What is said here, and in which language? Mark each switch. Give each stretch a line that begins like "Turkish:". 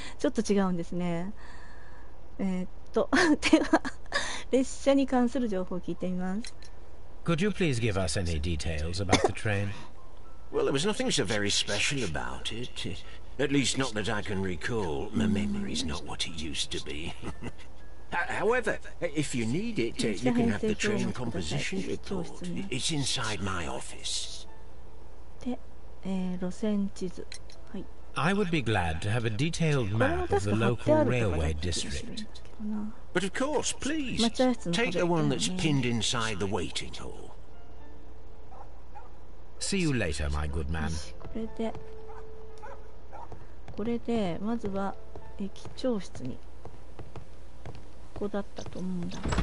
Japanese: ちょっと違うんですね。では、列車に関する情報を聞いてみます。
English: Could you please give us any details about the train? Well, there was nothing so very special about it. At least not that I can recall. My memory's not what it used to be. However, if you need it, you can have the train composition report. It's inside my office.
Japanese: で、路線地図。
English: I would be glad to have a detailed map of the local railway district. But of course, please, take the one that's pinned inside the waiting hall. See you later, my good man.
Japanese: これでまずは駅長室に。ここだったと思うんだ。